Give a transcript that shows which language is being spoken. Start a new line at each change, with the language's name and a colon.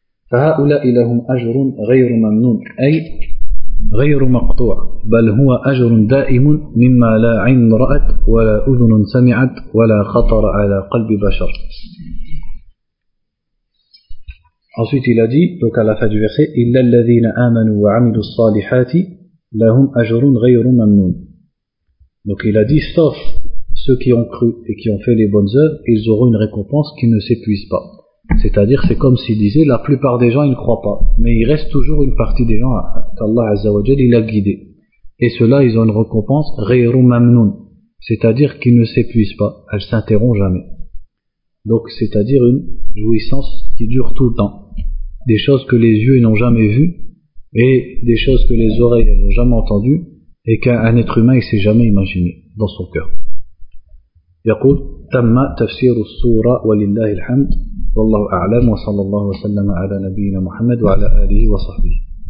Arabic: فهؤلاء لهم أجر غير ممنون أي غير مقطوع بل هو أجر دائم مما لا عين رأت ولا أذن سمعت ولا خطر على قلب بشر.
French: Ensuite il a dit, donc à la fin du verset,
Arabic: إلا الذين آمنوا وعملوا الصالحات لهم أجر غير ممنون.
French: Donc il a dit, sauf ceux ceux qui ont cru et qui ont fait les bonnes œuvres, ils auront une récompense qui ne s'épuise pas. C'est-à-dire, c'est comme s'il disait, la plupart des gens, ils ne croient pas. Mais il reste toujours une partie des gens, qu'Allah Azza wa Jal, il a guidé. Et ceux-là, ils ont une récompense,
Arabic: غَيْرُ مَمْنُونَ.
French: C'est-à-dire qu'ils ne s'épuisent pas, elles ne s'interrompent jamais. Donc, c'est-à-dire une jouissance qui dure tout le temps. Des choses que les yeux n'ont jamais vues, et des choses que les oreilles n'ont jamais entendues, et qu'un être humain ne s'est jamais imaginé dans son cœur.
Arabic: يقول تم تفسير السورة ولله الحمد والله أعلم وصلى الله وسلم على نبينا محمد وعلى آله وصحبه